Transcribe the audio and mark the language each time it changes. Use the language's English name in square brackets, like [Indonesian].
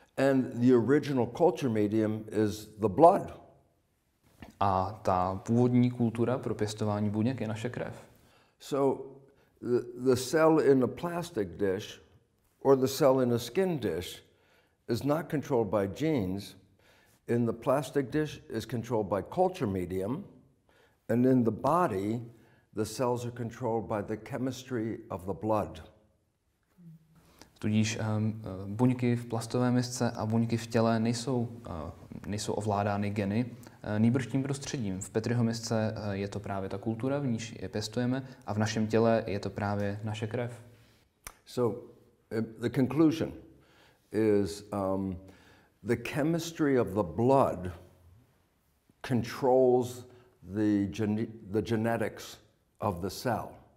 [English] And the original culture medium is the blood. [Czech] A ta původní kultura pro pěstování buněk je naše krev. [English] So the cell in a plastic dish or the cell in a skin dish is not controlled by genes. In the plastic dish is controlled by culture medium. And in the body, the cells are controlled by the chemistry of the blood. [Czech] Tudíž buňky v plastové misce a buňky v těle nejsou ovládány geny. Nýbrž tím prostředím. V Petriho misce je to právě ta kultura, v níž je pěstujeme, a v našem těle je to právě naše krev. [English] So the conclusion is the chemistry of the blood controls the genetics of the cell.